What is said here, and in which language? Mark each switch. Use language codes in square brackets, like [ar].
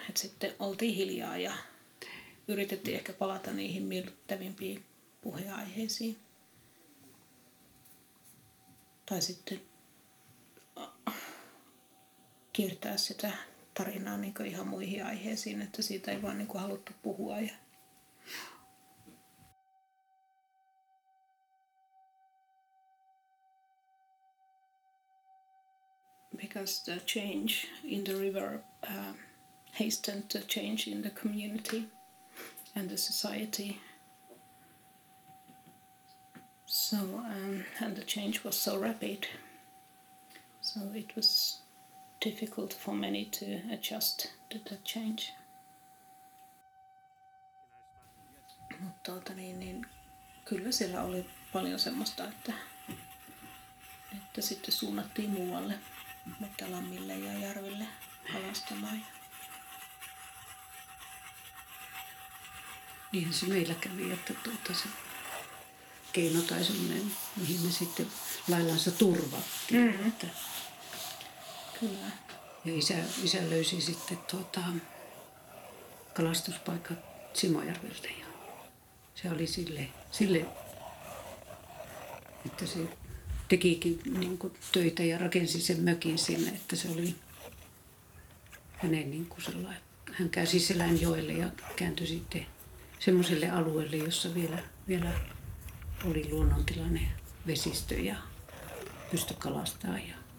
[fi] Et sitten oltiin hiljaa ja yritettiin ehkä palata niihin miellyttävimpiin puheaiheisiin. Tai sitten kiertää sitä tarinaa niin kuin ihan muihin aiheisiin, että siitä ei vaan niin kuin haluttu puhua. [en] Ja because the change in the river hastened the change in the community and the society. So, and the change was so rapid, so it was difficult for many to adjust to that change. [fi] Mutta niin kyllä siellä oli paljon semmoista, että sitten suunnattiin muualle, mutta lammille ja järville kalastamaan. Niin se meillä kävi, että se keino tai semmoinen, mihin me sitten laillaan se turvattiin. Mm-hmm. Että kyllä. Ja isä löysi sitten kalastuspaikka Simojärveltä. Ja se oli sille, että se tekikin niin kuin töitä ja rakensi sen mökin sinne, että se oli hänen niin kuin sellainen. Hän käsi Selänjoelle ja kääntyi sitten semmoiselle alueelle, jossa vielä oli luonnontilanne, vesistö ja pystyi kalastamaan. Ja